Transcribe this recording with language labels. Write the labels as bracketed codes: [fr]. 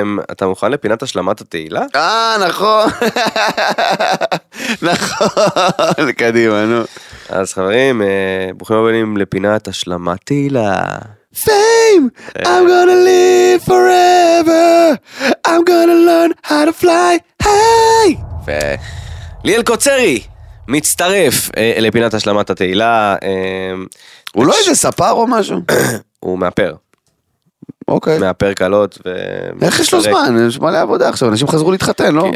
[he] אתה מוכן לפינת השלמת התהילה? נכון. נכון. קדימה, נו. אז חברים, ברוכים הבאים לפינת השלמת תהילה. [en] Fame! I'm gonna live forever! I'm gonna learn how to fly! [he] היי! ליאל קוצרי מצטרף לפינת השלמת התהילה. הוא לא איזה ספר או משהו? הוא מאפר. אוקיי. מהפרקלות ו... איך יש לו זמן? יש מלא עבודה עכשיו, אנשים חזרו להתחתן, לא?